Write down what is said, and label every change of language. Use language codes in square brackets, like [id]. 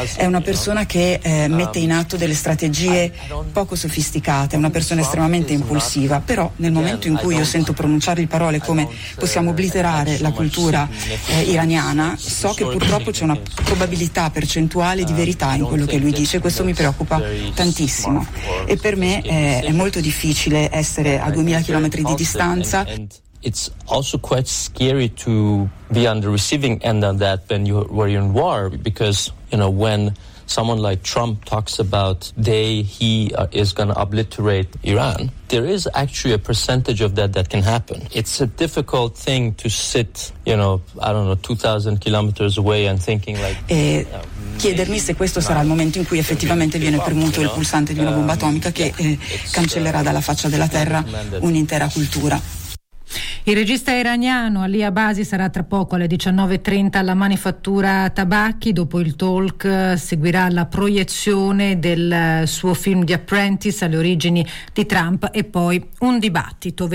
[it] È una persona che mette in atto delle strategie poco sofisticate, è una persona estremamente impulsiva, però nel momento in cui io sento pronunciare le parole come possiamo obliterare la cultura iraniana, so che purtroppo c'è una probabilità percentuale di verità in quello che lui dice, questo mi preoccupa tantissimo. E per me è molto difficile essere a 2000 km di distanza. [en] It's also quite scary to be on the receiving end of that when you were in war, because you know when someone like Trump talks about he is going to obliterate Iran, there is actually a percentage of that can happen. It's a difficult thing to sit, you know, I don't know, 2000 kilometers away and thinking like. [it] Chiedermi se questo sarà il momento in cui effettivamente viene premuto il pulsante di una bomba atomica che cancellerà dalla faccia della terra un'intera cultura. Il regista iraniano Ali Abbasi sarà tra poco alle 19.30 alla manifattura Tabacchi. Dopo il talk seguirà la proiezione del suo film The Apprentice alle origini di Trump e poi un dibattito.